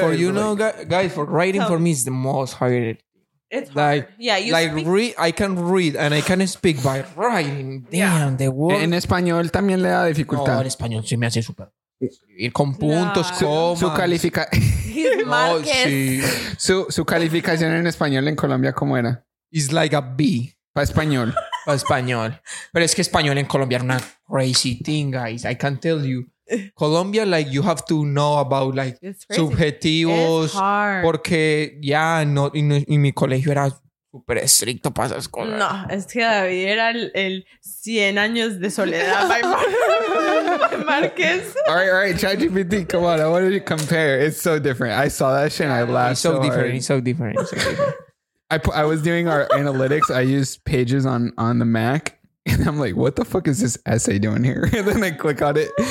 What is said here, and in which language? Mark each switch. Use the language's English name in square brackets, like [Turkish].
[English] For you know, like, guys, for writing for me is the most hard. It's like hard. Yeah, you like speak- read. I can read and I can speak by writing. Damn, yeah. The word. [Spanish] En español también le da dificultad. No, en español sí me hace super. Ir con puntos, no. Comas. Su calificación. No, sí. Su calificación en español en Colombia ¿cómo era? [English] It's like a B. [Spanish] Pa español. Pa español. Pero es que español en Colombia es una [English] crazy thing, guys. I can tell you. Colombia, like, you have to know about, like, subjetivos. It's hard. [Spanish] Porque, yeah, no, en mi colegio era súper estricto para esas cosas. No, es que David era el 100 años de soledad. [English] By Marquez. All right, ChatGPT, come on. I want to compare. It's so different. I saw that shit and I laughed. It's so, so different. I was doing our analytics. I used Pages on the Mac. And I'm like, what the fuck is this essay doing here? And then I click on it.